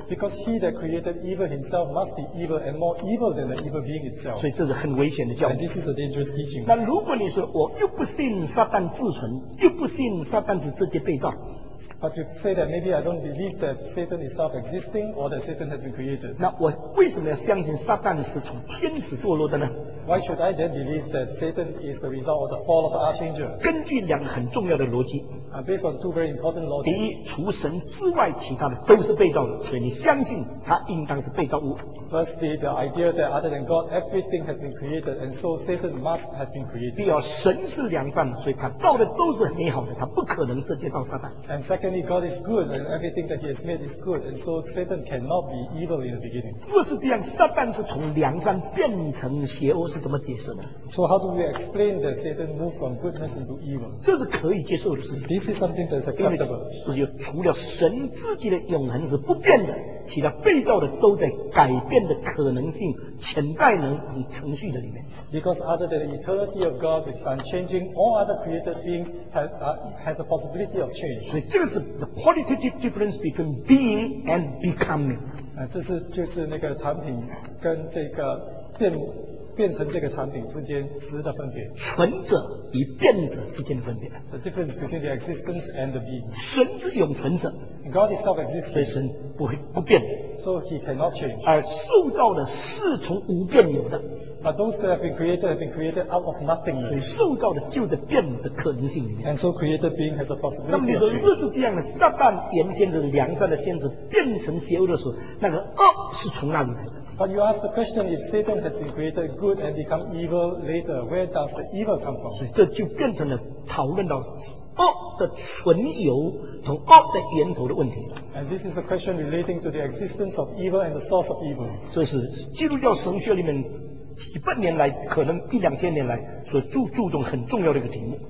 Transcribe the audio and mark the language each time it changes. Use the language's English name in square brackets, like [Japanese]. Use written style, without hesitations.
[English] Because he that created evil himself must be evil and more evil than the evil being itself. [Chinese] 所以这是很危险的教义。 [English] And this is a dangerous teaching. [Chinese] 那如果你说我又不信撒旦自存，又不信撒旦是直接被造。 [English] But you say that maybe I don't believe that Satan is self-existing or that Satan has been created. [Chinese] 那我为什么要相信撒旦是从天使堕落的呢？ [English] Why should I then believe that Satan is the result of the fall of the archangel? [Chinese] 根据两个很重要的逻辑。 [English] Based on two very important logic. [Chinese] 第一，除神之外，其他的都是被造物，所以你相信他应当是被造物。 [English] Firstly, the idea that other than God, everything has been created, and so Satan must have been created. [Chinese] 第二，神是良善，所以他造的都是美好的，他不可能直接造撒旦。 [English] And secondly, God is good, and everything that He has made is good, and so Satan cannot be evil in the beginning. [Chinese] 若是这样，撒旦是从良善变成邪恶，是怎么解释的？ [English] So how do we explain that Satan moved from goodness into evil? [Chinese] 这是可以接受的事情。 [English] This is something that's acceptable. [Chinese] 因为除了神自己的永恒是不变的，其他被造的都在改变的可能性、潜在能与程序的里面。 [English] Because other than the eternity of God is unchanging, all other created beings has a possibility of change. [Chinese] 所以这个是 [English] the qualitative difference between being and becoming. [Chinese] 这是那个产品跟这个变成这个产品之间实的分别，存者与变者之间的分别。 [English] The difference between the existence and the being. [Chinese] 神是永存者 [English] ，God is self-existing. [Chinese] 所以神不变 [English] ，so he cannot change. [Chinese] 而受造的是从无变有的 [English] ，but those that have been created out of nothingness. [Chinese] 所以受造的就在变的可能性里面。 [English] And so created being has a possibility. [Chinese] 那么你说，若是这样的，撒旦原先是良善的先知，变成邪恶的时候，那个恶是从哪里来的？ [English] But you ask the question, if Satan has been created good and become evil later, where does the evil come from? [Chinese] 这就变成了讨论到恶的存有和恶的源头的问题。 [English] And this is a question relating to the existence of evil and the source of evil. [Chinese] 这是基督教神学里面几百年来，可能一两千年来所注重很重要的一个题目。